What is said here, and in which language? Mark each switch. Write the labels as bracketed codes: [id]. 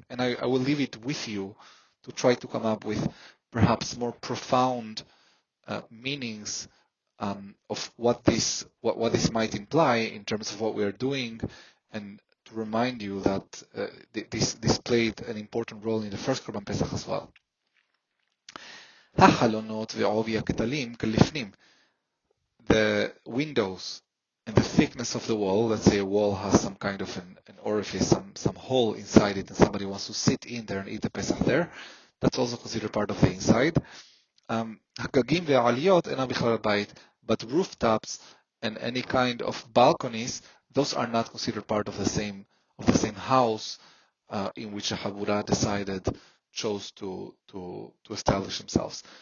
[en] And I will leave it with you to try to come up with perhaps more profound meanings of what this might imply in terms of what we are doing, and to remind you that this played an important role in the first Korban Pesach as well. [he] החלונות ועובי הקטלים כלפנים. [en] The windows and the thickness of the wall, let's say a wall has some kind of an orifice, some hole inside it, and somebody wants to sit in there and eat the Pesach there, that's also considered part of the inside. [he] הגגים ועליות אינם בכלל הבית, [en] but rooftops and any kind of balconies, those are not considered part of the same house in which a Habura decided, chose to establish themselves.